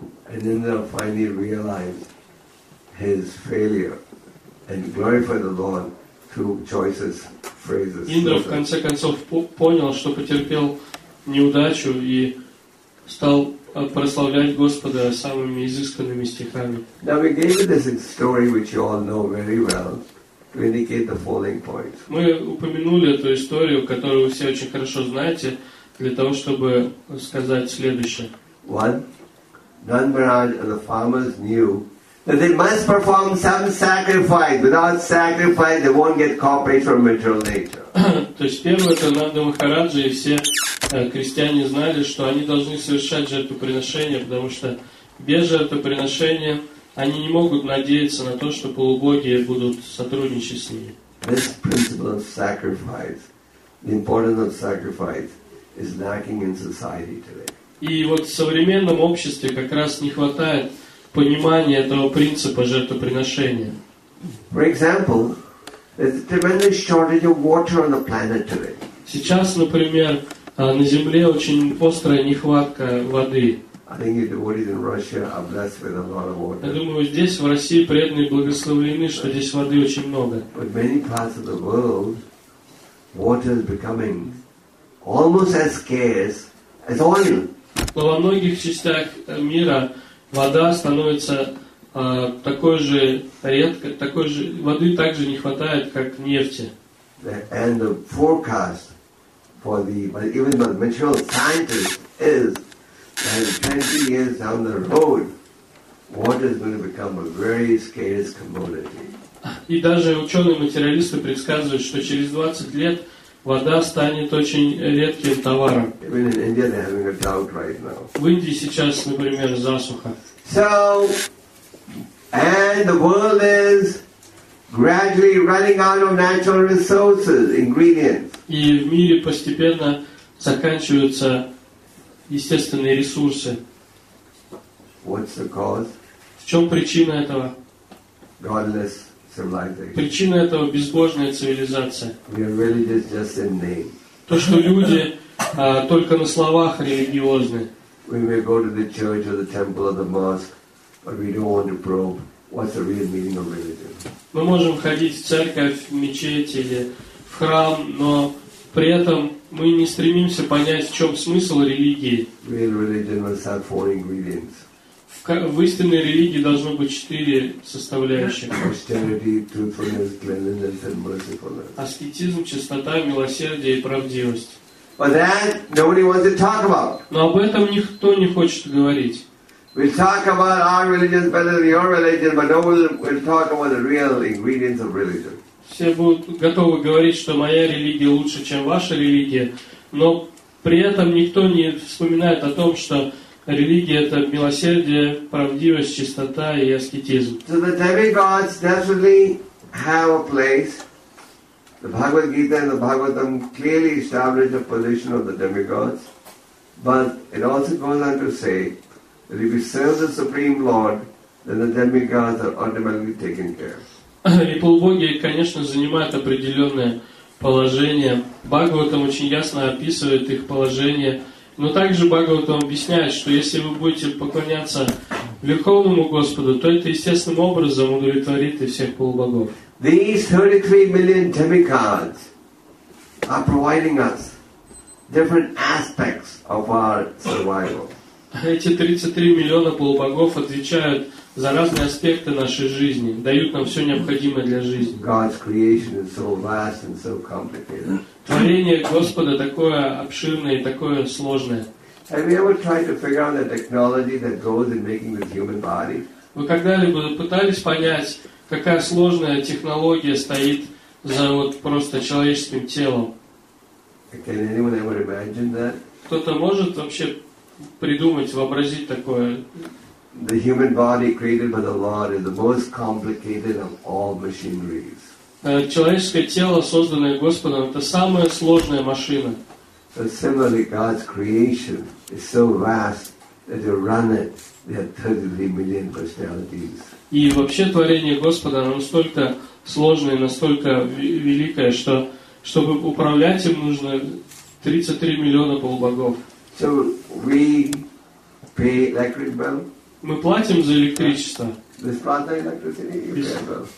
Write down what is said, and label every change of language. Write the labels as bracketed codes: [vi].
[en] And then they finally realized his failure and glorified the Lord through choices, phrases. [ru] Индра в конце концов понял, что потерпел неудачу и стал прославлять Господа самыми изысканными стихами. [en] Now we gave you this story, which you all know very well, to indicate the following point. [ru] Мы упомянули эту историю, которую вы все очень хорошо знаете, для того, чтобы сказать следующее. [en] One. Nand Maharaj and the farmers knew that they must perform some sacrifice. Without sacrifice, they won't get cooperation from material nature. [ru] То есть первое, это Нанда Махараджа и все крестьяне знали, что они должны совершать жертвоприношение, потому что без жертвоприношения они не могут надеяться на то, что полубоги будут сотрудничать с ними. [en] This principle of sacrifice, the importance of sacrifice, is lacking in society today. [ru] И вот в современном обществе как раз не хватает понимания этого принципа жертвоприношения. [en] For example, there's a tremendous shortage of water on the planet today. [ru] Сейчас, например, на Земле очень острая нехватка воды. [en] I think the devotees in Russia are blessed with a lot of water. [ru] Я думаю, здесь в России преданные благословлены, что здесь воды очень много. [en] But in many parts of the world, water is becoming almost as scarce as oil. [ru] Но во многих частях мира вода становится такой же редко, такой же воды также не хватает, как нефти. [en] And the forecast for the even the material scientists is that 20 years down the road, water is going to become a very scarce commodity. [ru] И даже ученые-материалисты предсказывают, что через 20 лет вода станет очень редким товаром. [en] Even in India, they're having a drought right now. [ru] В Индии сейчас, например, засуха. [en] So, and the world is gradually running out of natural resources, ingredients. [ru] И в мире постепенно заканчиваются естественные ресурсы. [en] What's the cause? [ru] В чем причина этого? [en] Godless. Civilization. [ru] Причина этого — безбожная цивилизация. [en] We are religious just in name. [ru] То, что люди только на словах религиозны. [en] We may go to the church or the temple or the mosque, but we don't want to probe what's the real meaning of religion. [ru] Мы можем ходить в церковь, в мечеть или в храм, но при этом мы не стремимся понять, в чем смысл религии. [en] Real religion must have four ingredients. [ru] В истинной религии должно быть 4 составляющих. [en] Austerity, truthfulness, cleanliness, and mercifulness. [ru] Аскетизм, чистота, милосердие и правдивость. [en] But that nobody wants to talk about. [ru] Но об этом никто не хочет говорить. [en] We'll talk about our religion better than your religion, but no one will talk about the real ingredients of religion. [ru] Все будут готовы говорить, что моя религия лучше, чем ваша религия, но при этом никто не вспоминает о том, что религия это милосердие, правдивость, чистота и аскетизм. [en] So the demigods definitely have a place. The Bhagavad Gita and the Bhagavatam clearly establish a position of the demigods, but it also goes on to say that if we serve the Supreme Lord, then the demigods are automatically taken care of. [ru] И полубоги, конечно, занимают определенное положение. Бхагаватам очень ясно описывает их положение. Но также Бхагаватам объясняет, что если вы будете поклоняться Верховному Господу, то это естественным образом удовлетворит и всех полубогов. [en] These 33 million demigods are providing us different aspects of our survival. [ru] Эти 33 миллиона полубогов отвечают за разные аспекты нашей жизни, дают нам все необходимое для жизни. [en] God's creation is so vast and so complicated. [ru] Творение Господа такое обширное и такое сложное. [en] Have you ever tried to figure out the technology that goes in making this human body? [ru] Вы когда-либо пытались понять, какая сложная технология стоит за вот просто человеческим телом? [en] Can anyone ever imagine that? [ru] Кто-то может вообще придумать, вообразить такое? [en] The human body created by the Lord is the most complicated of all machineries. [ru] Человеческое тело, созданное Господом, это самая сложная машина. [en] But similarly, God's creation is so vast that to run it, there are 33 million personalities. [ru] И вообще творение Господа настолько сложное, настолько великое, что чтобы управлять им нужно 33 миллиона полубогов. [en] So we pay electric bill. [ru] Мы платим за электричество. Бесплатная электричество.